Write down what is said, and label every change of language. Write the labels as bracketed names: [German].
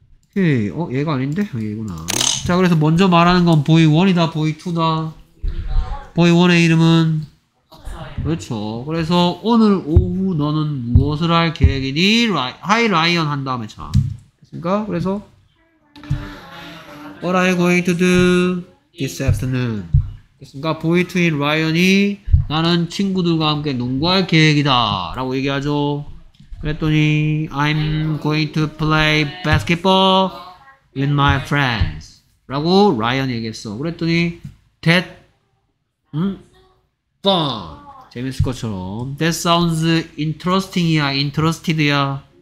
[Korean] 오케이. 어, 얘가 아닌데? 얘구나. 자, 그래서 먼저 말하는 건 보이 1이다, 보이 2다. 보이 1의 이름은? 그렇죠. 그래서 오늘 오후 너는 무엇을 할 계획이니? 하이 라이언 한 다음에 자. 됐습니까? 그래서 [English] What are you going to do this afternoon? [Korean] 됐습니까? 보이 2인 라이언이 나는 친구들과 함께 농구할 계획이다 라고 얘기하죠. 그랬더니 [English] I'm going to play basketball with my friends [Korean] 라고 라이언 얘기했어. 그랬더니 [English] That fun [Korean] 재밌을 것처럼 [English] That sounds interesting이야 interested이야